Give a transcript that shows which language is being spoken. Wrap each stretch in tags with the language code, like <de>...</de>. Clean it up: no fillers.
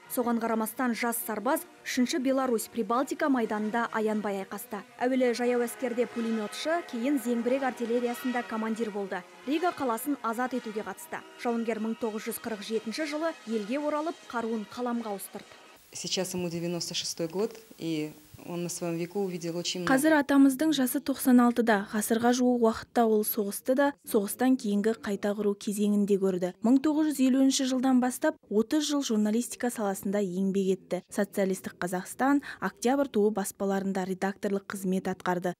<kk>Соған қарамастан жас сарбаз 3-ші Беларусь Прибалтика майданында аянбай айқасты. Әуелі жаяу әскерде пулеметші, кейін зеңбірек артиллериясында командир болды. Рига қаласын азат етуге қатысты. Жауынгер 1947 жылы елге оралып, қаруын қаламға ауыстырды.</kk> <ru>Сейчас ему 96 год, и он на своем веку увидел очень много.</ru> <kk>Қазір атамыздың жасы 96-да, ғасырға жуы уақытта ол соғысты да, соғыстан кейінгі қайта құру кезеңінде көрді. 1950 жылдан бастап, 30 жыл журналистика саласында еңбек етті. Социалистік Қазақстан, Октябрь туы баспаларында редакторлық қызмет атқарды.</kk>